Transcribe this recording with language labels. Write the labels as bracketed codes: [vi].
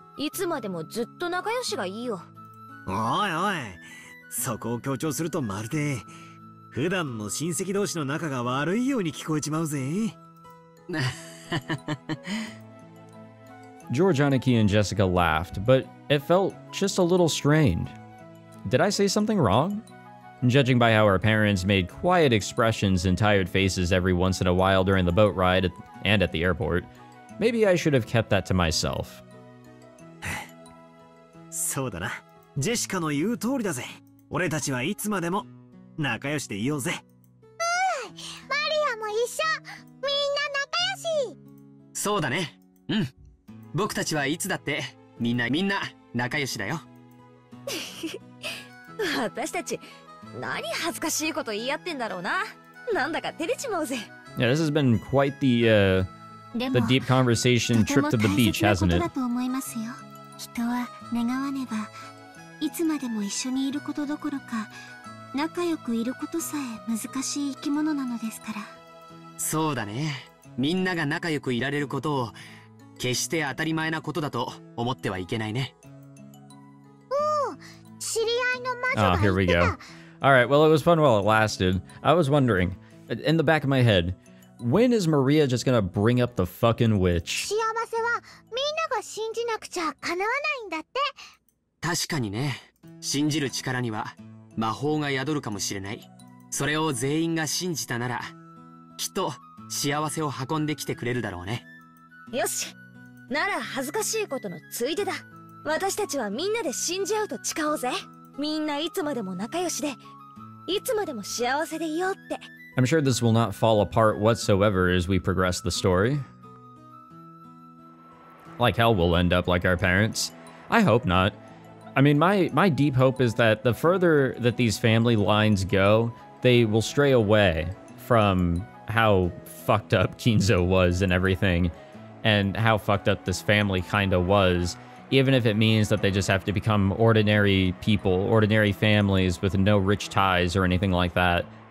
[en] George Aniki and Jessica laughed, but it felt just a little strained. Did I say something wrong? Judging by how our parents made quiet expressions and tired faces every once in a while during the boat ride and at the airport, maybe I should have kept that to myself. [ja] そうだな。ジェシカの言う通りだぜ。俺たちはいつまでも仲良しでいようぜ。うん。マリアも一緒。みんな仲良し。そうだね。うん。僕たちはいつだってみんな仲良しだよ。私たち何恥ずかしいこと言い合ってんだろうな。なんだか照れちまうぜ。 [en] Yeah, this has been quite the deep conversation trip to the beach, hasn't it? [ja] 人は願わねばいつまでも一緒にいることどころか仲良くいることさえ難しい生き物なのですから。そうだね。みんなが仲良くいられることを決して当たり前なことだと思ってはいけないね。おお、知り合いの魔女が言ってた。 [en] Here we go. All right, well, it was fun while it lasted. I was wondering, in the back of my head, when is Maria just gonna bring up the fucking witch? [ja] 幸せはみんなが信じなくちゃ叶わないんだって。確かにね。信じる力には魔法が宿るかもしれない。それを全員が信じたなら、きっと幸せを運んできてくれるだろうね。よし。なら恥ずかしいことのついでだ。私たちはみんなで信じ合うと誓おうぜ。みんないつまでも仲良しで、いつまでも幸せでいようって。 [en] I'm sure this will not fall apart whatsoever as we progress the story. Like hell, we'll end up like our parents. I hope not. I mean, my deep hope is that the further that these family lines go, they will stray away from how fucked up Kinzo was and everything, and how fucked up this family kinda was, even if it means that they just have to become ordinary people, ordinary families with no rich ties or anything like that.